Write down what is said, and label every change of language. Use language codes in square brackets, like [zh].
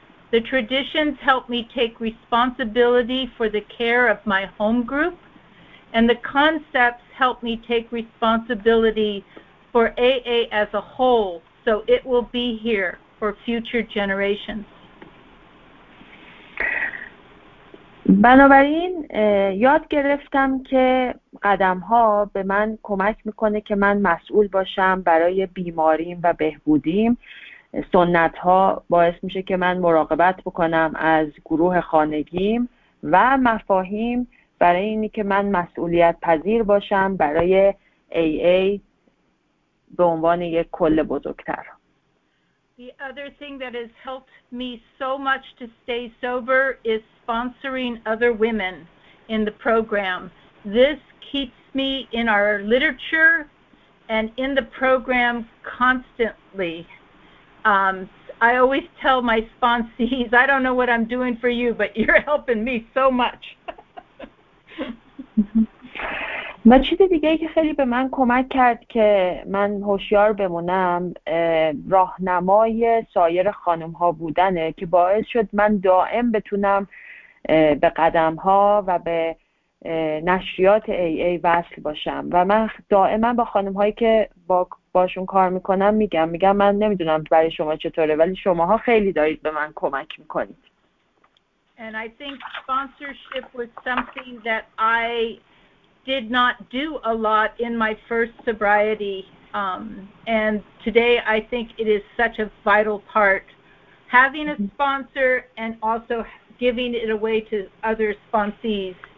[en] The traditions help me take responsibility for the care of my home group. And the concepts help me take responsibility for AA as a whole, so it will be here for future generations. [fa] بنابراین یاد گرفتم که قدم ها به من کمک میکنه که من مسئول باشم برای بیماریم و بهبودیم. سنت ها باعث میشه که من مراقبت بکنم از گروه خانگیم و مفاهیم برای اینی که من مسئولیت پذیر باشم برای AA به عنوان یک کل بزرگتر. [en] The other thing that has helped me so much to stay sober is sponsoring other women in the program. This keeps me in our literature and in the program constantly. I always tell my sponsees, I don't know what I'm doing for you, but you're helping me so much. [fa] ما چیز دیگه ای که خیلی به من کمک کرد که من هوشیار بمونم راهنمای سایر خانم ها بودنه که باعث شد من دائم بتونم به قدم ها و به نشریات AA وصل باشم و من دائما با خانم هایی که باشون کار میکنم میگم من نمیدونم برای شما چطوره ولی شماها خیلی دارید به من کمک میکنید. [en] And I think sponsorship was something that I did not do a lot in my first sobriety, and today I think it is such a vital part, having a sponsor and also giving it away to other sponsees.